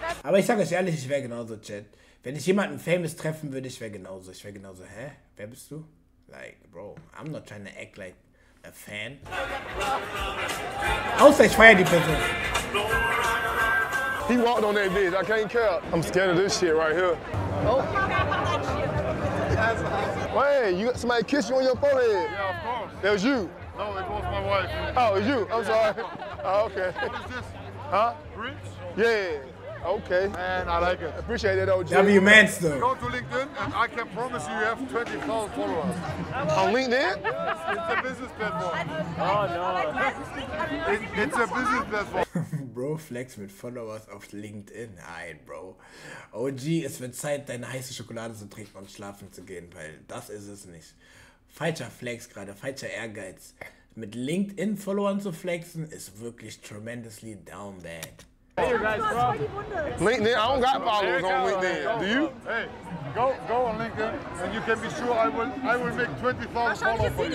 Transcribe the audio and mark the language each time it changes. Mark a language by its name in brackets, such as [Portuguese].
[German] Aber ich sag euch ehrlich, ich wäre genauso, Chat. Wenn ich jemanden famous treffen würde, ich wäre genauso. Ich wäre genauso, hä? Wer bist du? [English] Like, bro, I'm not trying to act like a fan. [German] Außer ich feier die Person. [English] He walked on that bitch, I can't care. I'm scared of this shit right here. Oh. Wait, you got somebody kiss you on your forehead? Yeah, of course. That was you. No, it was my wife. Oh, you. I'm sorry. Oh, okay. What is this? Huh? Rich? Yeah. Okay. Man, I like it. Appreciate it, OG. W Mans, though. Go to LinkedIn, and I can promise you have 20,000 followers. On LinkedIn? Yes, it's a business platform. Oh, no. It's a business platform. [German] Bro Flex mit Followers auf LinkedIn. Nein, Bro. OG, es wird Zeit, deine heiße Schokolade zu trinken und schlafen zu gehen, weil das ist es nicht. Falscher Flex gerade, falscher Ehrgeiz. Mit LinkedIn-Followern zu flexen, ist wirklich [English] tremendously down bad. Hey, you guys, bro. LinkedIn, I don't got followers on LinkedIn. Do you? Hey, go on LinkedIn, and you can be sure I will make 20,000 followers for you.